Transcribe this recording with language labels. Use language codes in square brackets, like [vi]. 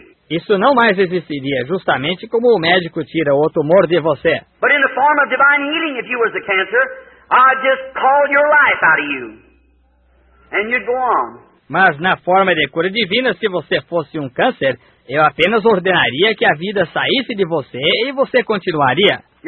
[pt] Isso não mais existiria, justamente como o médico tira o tumor de você. [en] But in the form of divine healing, if you was a cancer, I'd just call your life out of you. And you'd go on. [pt] Mas na forma de cura divina, se você fosse um câncer, eu apenas ordenaria que a vida saísse de você e você continuaria.